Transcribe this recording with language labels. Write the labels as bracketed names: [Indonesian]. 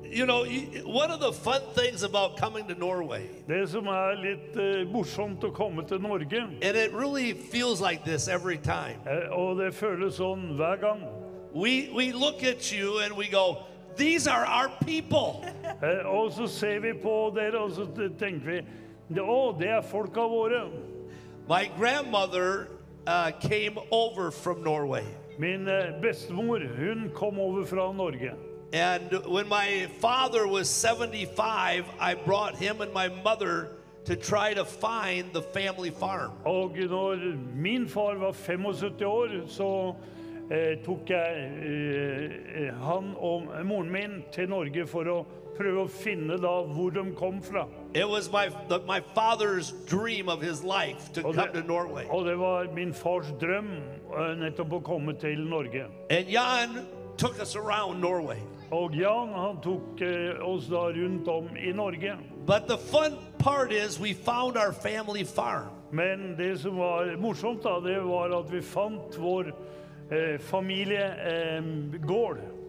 [English] You know, one of the fun things about coming to Norway. [Norwegian] Det som litt morsomt å komme til Norge. [English] And it really feels like this every time. [Norwegian] Og det føles sånn hver gang. [English] We look at you and we go, these are our people. [Norwegian] Og så ser vi på dere og så tenker vi, åh, det folka våre. [English] My grandmother came over from Norway. [Norwegian] Min bestemor, hun kom over fra Norge. [English] And when my father was 75, I brought him and my mother to try to find the family farm. [Norwegian] Og når min far var 75 år, så tok jeg han og moren min til Norge for å prøve å finne da hvor de kom fra. [English] It was my father's dream of his life to come to Norway. [Norwegian] Og det var min fars drøm nettopp å komme til Norge. [English] And Jan took us around Norway. [Norwegian] Og Jan, han tok oss da rundt om I Norge. [English] But the fun part is we found our family farm. [Norwegian] Men det som var morsomt da, det var at vi fant vår familie gård.